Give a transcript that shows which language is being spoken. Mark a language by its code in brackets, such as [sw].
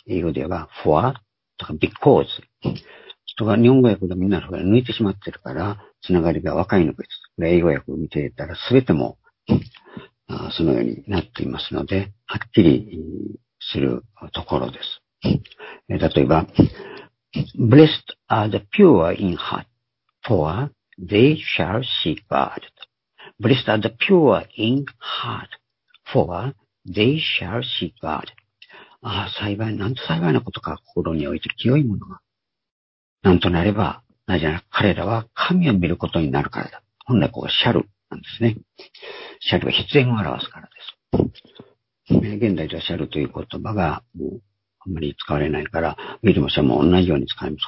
[ja] 英語では、for とか because。とか、日本語訳でみんなそれ抜いてしまってるから、つながりが若いのです。英語訳を見ていたら、すべても、そのようになっていますので、はっきりするところです。 [en] 例えば、Blessed are the pure in heart, for they shall see God. Blessed are the pure in heart, for they shall see God. [ja] ああ、幸い、なんと幸いなことか、心において清いものが。なんとなれば、なぜなら彼らは神を見ることになるからだ。本来ここがシャルなんですね。シャルは必然を表すからです。現代ではシャルという言葉がもうあんまり使われないから、見るもシャルも同じように使います。